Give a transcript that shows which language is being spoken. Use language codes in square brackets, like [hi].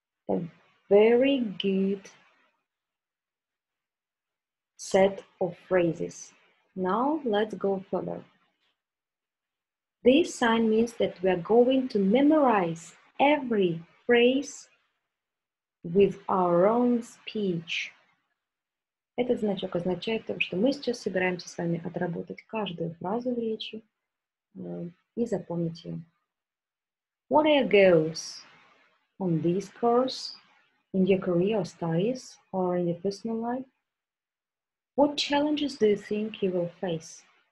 [en] A very good set of phrases. Now let's go further. This sign means that we are going to memorize every phrase with our own speech. [ru] Этот значок означает то, что мы сейчас собираемся с вами отработать каждую фразу в речи и запомнить ее. [en] What are your goals on this course, in your career or studies, or in your personal life? What challenges do you think you will face?